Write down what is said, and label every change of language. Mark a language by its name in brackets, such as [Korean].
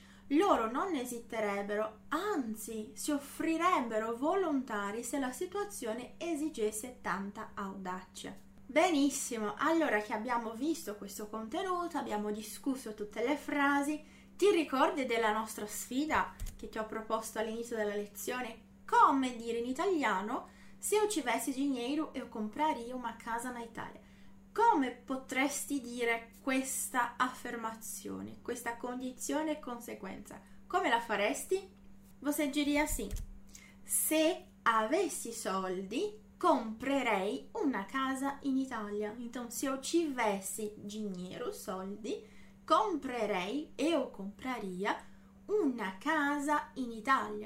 [Italian] Loro non esiterebbero, anzi, si offrirebbero volontari se la situazione esigesse tanta audacia. Benissimo, allora che abbiamo visto questo contenuto, abbiamo discusso tutte le frasi, ti ricordi della nostra sfida che ti ho proposto all'inizio della lezione? Come dire in italiano? [Portuguese] Se eu tivesse dinheiro, eu compraria uma casa na Itália. [Italian] Come potresti dire questa affermazione, questa condizione e conseguenza? Come la faresti? [Portuguese] Você diria assim: [Italian] se avessi soldi, comprerei una casa in Italia. [Portuguese] Então, se eu tivesse dinheiro, soldi, comprerei e o compraria [Italian] una casa in Italia.